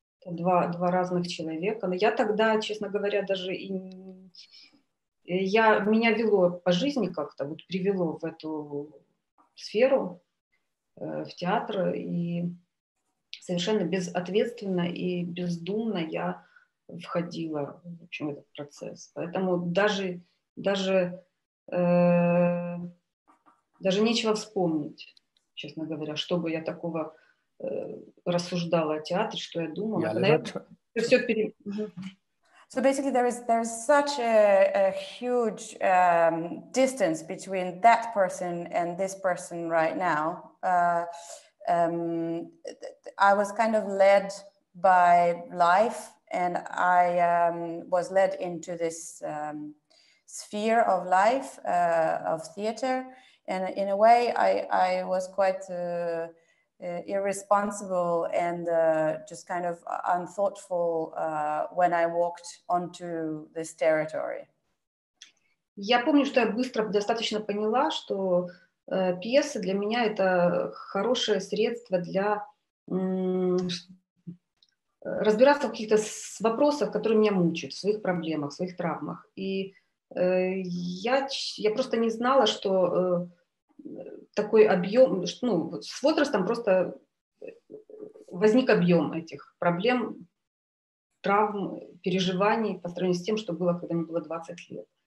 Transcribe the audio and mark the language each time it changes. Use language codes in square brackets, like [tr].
[ru] Это два разных человека. Но я тогда, честно говоря, даже и я меня вело по жизни как-то, вот привело в эту сферу, в театр, и совершенно безответственно и бездумно я входила в общем, этот процесс. Поэтому даже нечего вспомнить, честно говоря, чтобы я такого рассуждала о театре, что я думала. Наверное, все [en] So basically, there is such a huge distance between that person and this person right now. I was kind of led by life, and I was led into this sphere of life of theater. And in a way, I was quite irresponsible and just kind of unthoughtful when I walked onto this territory. [ru] Я помню, что я быстро достаточно поняла, что пьеса для меня это хорошее средство для разбираться в каких-то вопросах, которые меня мучают, в своих проблемах, в своих травмах. И я просто не знала, что такой объем, ну, с возрастом просто возник объем этих проблем, травм, переживаний по сравнению с тем, что было, когда мне было 20 лет.